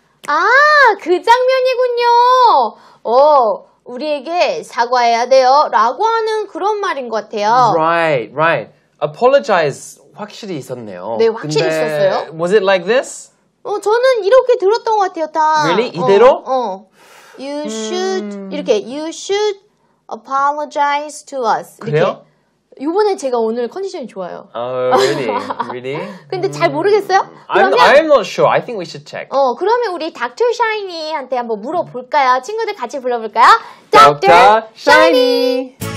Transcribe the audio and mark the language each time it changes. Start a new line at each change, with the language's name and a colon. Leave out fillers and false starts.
Korean: 아, 그 장면이군요. 우리에게 사과해야 돼요. 라고 하는 그런 말인 것 같아요.
English: Right, right. Apologize
Korean: 확실히 있었네요. 네, 확실히 있었어요.
English: Was it like this?
Korean: 저는 이렇게 들었던 것 같아요, 다.
English: Really?
Korean: 이대로?
English: You should,
Korean: 이렇게,
English: you should apologize to us.
Korean: 그래요? 이렇게. 요번에 제가 오늘 컨디션이 좋아요.
English: Really?
Korean: 근데 잘 모르겠어요?
English: I'm not sure. I think we should check.
Korean: 그러면 우리 닥터 샤이니한테 한번 물어볼까요? 친구들 같이 불러볼까요? 닥터 샤이니!